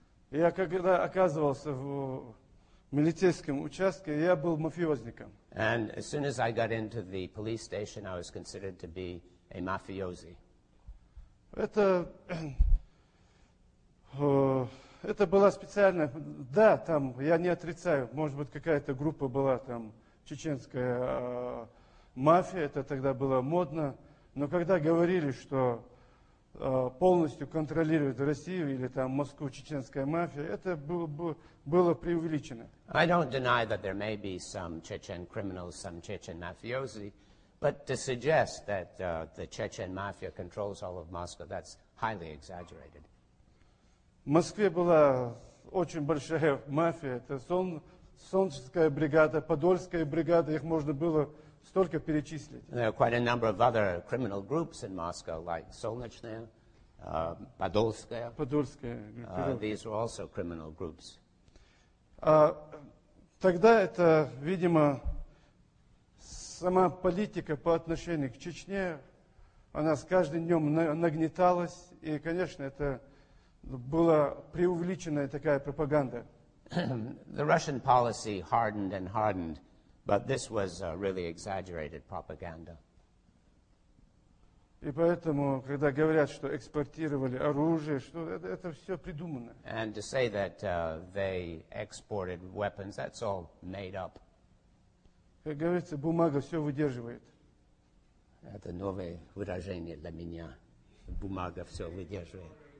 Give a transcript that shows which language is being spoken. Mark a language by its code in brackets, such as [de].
[ru] Я когда оказывался в милицейском участке, я был мафиозником. [en] And as soon as I got into the police station, I was considered to be a mafiosi. [ru] Это Это была специальная... Да, там, я не отрицаю, может быть, какая-то группа была там, чеченская мафия, это тогда было модно. Но когда говорили, что полностью контролирует Россию или там Москву чеченская мафия, это было преувеличено. [en] I don't deny that there may be some Chechen criminals, some Chechen mafiosi, but to suggest that the Chechen mafia controls all of Moscow, that's highly exaggerated. [ru] В Москве была очень большая мафия, это Солнечская бригада, Подольская бригада, их можно было столько перечислить. [en] There are quite a number of other criminal groups in Moscow, like Солнечная, Подольская. [ru] Подольская. [en] These were also criminal groups. [ru] Тогда это, видимо, сама политика по отношению к Чечне, она с каждым днем нагнеталась, и, конечно, это была преувеличенная такая пропаганда. [en] The Russian policy hardened and hardened, but this was a really exaggerated propaganda. [ru] И поэтому, когда говорят, что экспортировали оружие, что это все придумано. [en] And to say that they exported weapons, that's all made up. [ru] Как говорится, бумага все выдерживает. Это новое выражение для меня. Бумага все выдерживает.